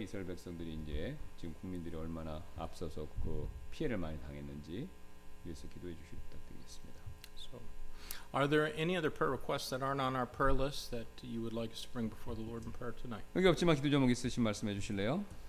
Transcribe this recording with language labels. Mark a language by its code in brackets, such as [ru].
[ko] 이스라엘 백성들이 이제 지금 국민들이 얼마나 앞서서 그 피해를 많이 당했는지 위해서 기도해 주시기 부탁드리겠습니다. [en] So, are there any other prayer requests that aren't on our prayer list that you would like to bring before the Lord in prayer tonight? [ko] 여기 없지만 기도 제목 있으신 말씀해 주실래요?